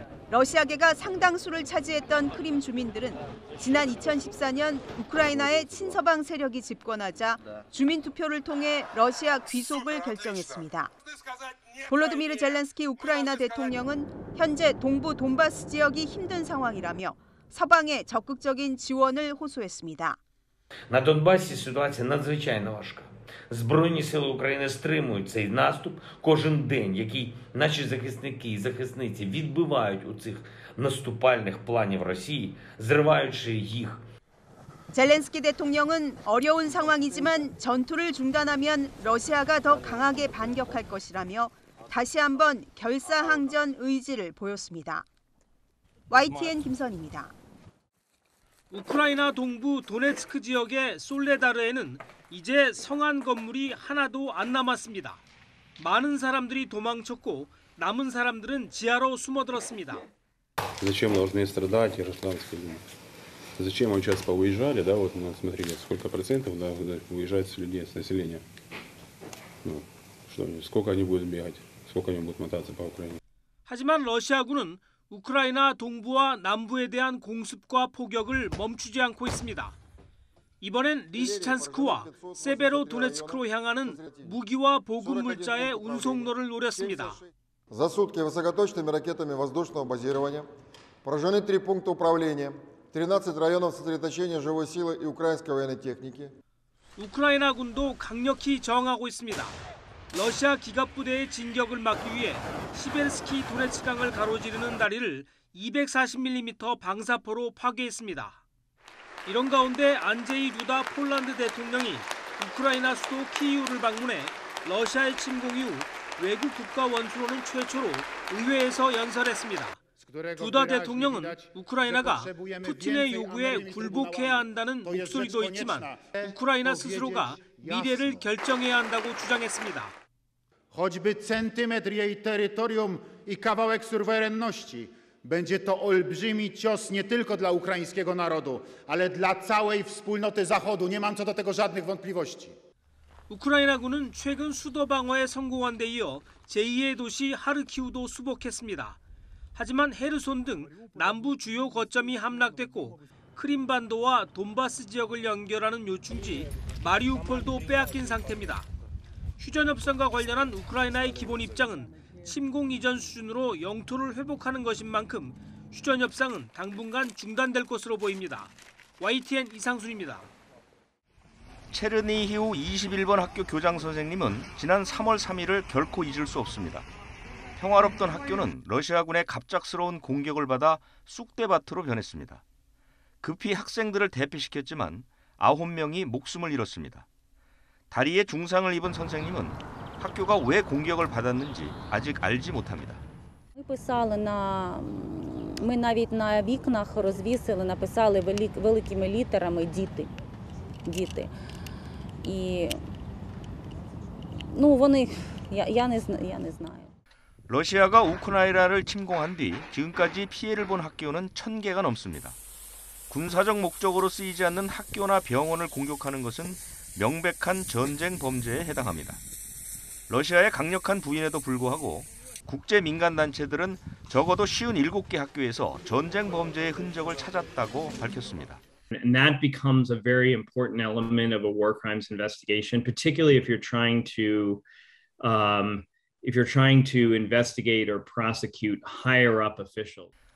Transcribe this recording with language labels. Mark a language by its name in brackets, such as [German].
[Korean] 러시아계가 상당수를 차지했던 크림 주민들은 지난 2014년 우크라이나의 친서방 세력이 집권하자 주민투표를 통해 러시아 귀속을 결정했습니다. 볼로드미르 젤렌스키 우크라이나 대통령은 현재 동부 돈바스 지역이 힘든 상황이라며 서방의 적극적인 지원을 호소했습니다. [Ukrainian] На Донбасі ситуація надзвичайно важка. Збройні сили України стримують цей наступ кожен день, який наші захисники і захисниці відбивають у цих наступальних планів Росії, зриваючи їх. [Korean] 젤렌스키 대통령은 어려운 상황이지만 전투를 중단하면 러시아가 더 강하게 반격할 것이라며 다시 한번 결사항전 의지를 보였습니다. YTN 김선입니다. 우크라이나 동부 도네츠크 지역의 솔레다르에는 이제 성안 건물이 하나도 안 남았습니다. 많은 사람들이 도망쳤고 남은 사람들은 지하로 숨어들었습니다. [Russian] Зачем должны страдать иностранцы? Зачем он сейчас поуезжали, да? Вот, смотрите, сколько процентов, да, уезжает с людей, с населения. Ну, что, сколько они будут бегать? Сколько они будут мотаться по Украине? [Korean] 하지만 러시아군은 우크라이나 동부와 남부에 대한 공습과 포격을 멈추지 않고 있습니다. 이번엔 리시찬스크와 세베로도네츠크로 향하는 무기와 보급 물자의 운송로를 노렸습니다. [Russian] За сутки высокоточными ракетами воздушного базирования поражены 3 пункта управления, 13 районов сосредоточения живой силы и украинской военной техники. [Korean] 우크라이나 군도 강력히 저항하고 있습니다. 러시아 기갑 부대의 진격을 막기 위해 시벨스키 도네츠크 강을 가로지르는 다리를 240mm 방사포로 파괴했습니다. 이런 가운데 안제이 루다 폴란드 대통령이 우크라이나 수도 키이우를 방문해 러시아의 침공 이후 외국 국가 원수로는 최초로 의회에서 연설했습니다. 두다 대통령은 우크라이나가 푸틴의 요구에 굴복해야 한다는 목소리도 있지만 우크라이나 스스로가 미래를 결정해야 한다고 주장했습니다. [Polish] Choćby centymetr jej terytorium i kawałek suwerenności, będzie to olbrzymi cios nie tylko dla ukraińskiego narodu, ale dla całej wspólnoty Zachodu. Nie mam co do tego żadnych wątpliwości. [Korean] Ukraina군은 최근 수도 방어에 성공한 데 이어 제2의 도시 하르키우도 수복했습니다. 하지만 헤르손 등 남부 주요 거점이 함락됐고 크림반도와 돈바스 지역을 연결하는 요충지 마리우폴도 빼앗긴 상태입니다. 휴전협상과 관련한 우크라이나의 기본 입장은 침공 이전 수준으로 영토를 회복하는 것인 만큼 휴전협상은 당분간 중단될 것으로 보입니다. YTN 이상순입니다. 체르니히우 21번 학교 교장 선생님은 지난 3월 3일을 결코 잊을 수 없습니다. 평화롭던 학교는 러시아군의 갑작스러운 공격을 받아 쑥대밭으로 변했습니다. 급히 학생들을 대피시켰지만 9명이 목숨을 잃었습니다. 다리에 중상을 입은 선생님은 학교가 왜 공격을 받았는지 아직 알지 못합니다. [Ukrainian] Ми навіть на вікнах розвісили, написали великими літерами діти. Діти. І ну, вони я не знаю. [Korean] 러시아가 우크라이나를 침공한 뒤 지금까지 피해를 본 학교는 1000개가 넘습니다. 군사적 목적으로 쓰이지 않는 학교나 병원을 공격하는 것은 명백한 전쟁 범죄에 해당합니다. 러시아의 강력한 부인에도 불구하고 국제 민간 단체들은 적어도 57개 학교에서 전쟁 범죄의 흔적을 찾았다고 밝혔습니다. [English] And that becomes a very important element of a war crimes investigation, particularly if you're trying to if you're trying to investigate or prosecute higher up officials.